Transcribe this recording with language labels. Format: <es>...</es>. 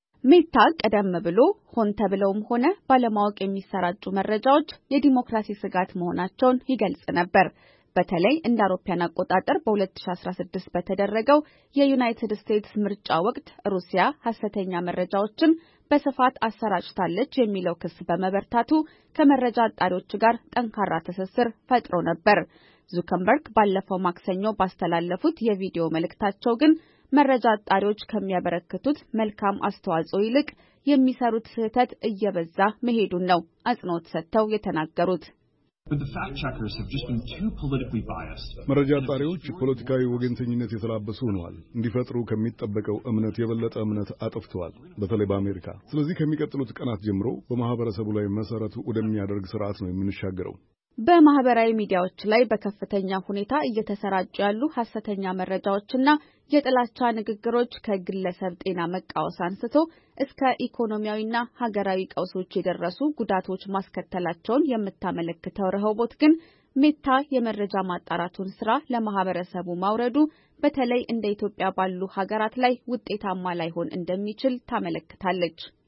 <am>ሜታ ቀደም ብሎ ሆን ተብለውም ሆነ ባለማወቅ የሚሰራጩ መረጃዎች የዲሞክራሲ ስጋት መሆናቸውን ይገልጽ ነበር። በተለይ እንደ አውሮፓውያን አቆጣጠር በ2016 በተደረገው የዩናይትድ ስቴትስ ምርጫ ወቅት ሩሲያ ሐሰተኛ መረጃዎችን በስፋት አሰራጭታለች የሚለው ክስ በመበርታቱ ከመረጃ አጣሪዎች ጋር ጠንካራ ተሰስር ፈጥሮ ነበር። ዙከምበርግ ባለፈው ማክሰኞ ባስተላለፉት የቪዲዮ መልእክታቸው ግን መረጃ አጣሪዎች ከሚያበረክቱት መልካም አስተዋጽኦ ይልቅ የሚሰሩት ስህተት እየበዛ መሄዱን ነው አጽንኦት ሰጥተው የተናገሩት።</am> <en>But the fact checkers have just been too politically biased.</en> <am>መረጃ አጣሪዎች ፖለቲካዊ ወገንተኝነት የተላበሱ ሆነዋል። እንዲፈጥሩ ከመጠበቀው እምነት የበለጠ እምነት አጥፍቷል በተለይ በአሜሪካ። ስለዚህ ከሚቀጥሉት ቀናት ጀምሮ በማህበረሰቡ ላይ መሰረቱ ወደሚያደርግ ስርዓት ነው የምንሻገረው። በማህበራዊ ሚዲያዎች ላይ በከፍተኛ ሁኔታ እየተሰራጩ ያሉ ሐሰተኛ መረጃዎችና የጥላቻ ንግግሮች ከግለሰብ ጤና መቃወስ አንስቶ እስከ ኢኮኖሚያዊና ሀገራዊ ቀውሶች የደረሱ ጉዳቶች ማስከተላቸውን የምታመለክተው ረሆቦት ግን ሜታ የመረጃ ማጣራቱን ስራ ለማህበረሰቡ ማውረዱ በተለይ እንደ ኢትዮጵያ ባሉ ሀገራት ላይ ውጤታማ ላይሆን እንደሚችል ታመለክታለች።</am>